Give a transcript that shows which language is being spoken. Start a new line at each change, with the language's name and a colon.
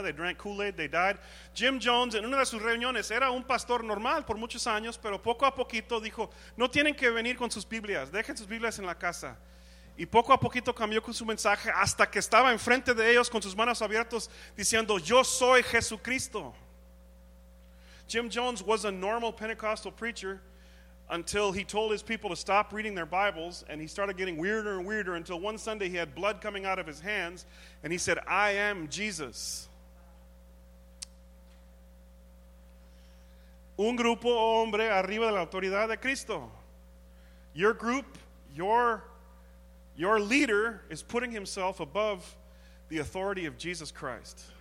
English: They drank Kool-Aid, they died.
Spanish: Jim Jones, en una de sus reuniones, era un pastor normal por muchos años, pero poco a poquito dijo, no tienen que venir con sus Biblias, dejen sus Biblias en la casa. Y poco a poquito cambió con su mensaje hasta que estaba enfrente de ellos con sus manos abiertas diciendo, yo soy Jesucristo.
English: Jim Jones was a normal Pentecostal preacher until he told his people to stop reading their Bibles, and he started getting weirder and weirder until one Sunday he had blood coming out of his hands and he said, I am Jesus.
Spanish: Un grupo hombre arriba de la autoridad de Cristo.
English: Your group, your leader is putting himself above the authority of Jesus Christ.